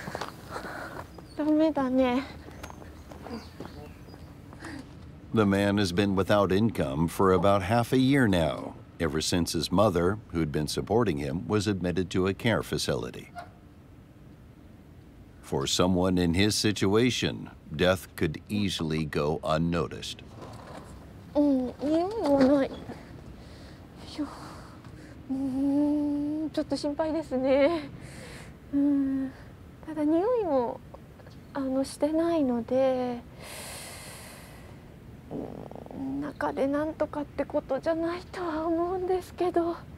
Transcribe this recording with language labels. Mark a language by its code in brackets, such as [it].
[ja] こんにちは。社会福祉協議会です。ガス、ガスが止まってる。電気ですけど動いてないですね。ダメだね。 [en] The man has been without income for about half a year now, ever since his mother, who'd been supporting him, was admitted to a care facility. For someone in his situation, death could easily go unnoticed. [ja] ちょっと心配ですね。ただ匂いもしてないので、 中でなんとかってことじゃないとは思うんですけど。